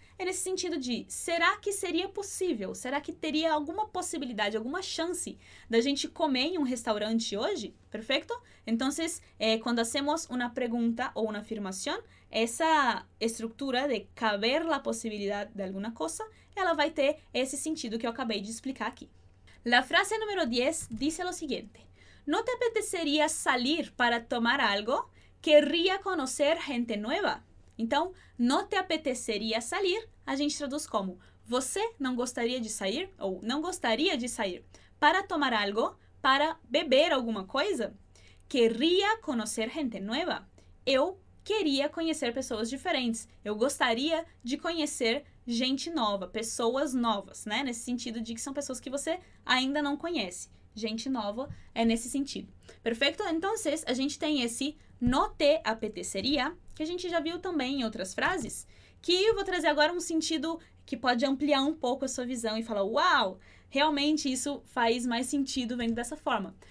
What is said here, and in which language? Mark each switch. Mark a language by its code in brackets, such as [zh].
[pt] É nesse sentido de, será que seria possível? Será que teria alguma possibilidade, alguma chance da gente comer em um restaurante hoje? Perfeito? Então, quando hacemos uma pergunta ou uma afirmação, essa estrutura de [es] caber la posibilidad de alguna cosa, [pt] ela vai ter esse sentido que eu acabei de explicar aqui. [es] La frase número 10 dice lo siguiente. ¿No te apetecería salir para tomar algo? ¿Querría conocer gente nueva? Então, ¿no te apetecería salir? [pt] A gente traduz como, ¿você não gostaria de sair? Ou, ¿não gostaria de sair para tomar algo? ¿Para beber alguma coisa? [es] ¿Querría conocer gente nueva? [pt] Eu queria conhecer pessoas diferentes. Eu gostaria de conhecer gente nova, pessoas novas, né? Nesse sentido de que são pessoas que você ainda não conhece. Gente nova é nesse sentido. Perfeito? Então, a gente tem esse [es] no te apeteceria, [pt] que a gente já viu também em outras frases, que eu vou trazer agora um sentido que pode ampliar um pouco a sua visão e falar, uau, realmente isso faz mais sentido vendo dessa forma.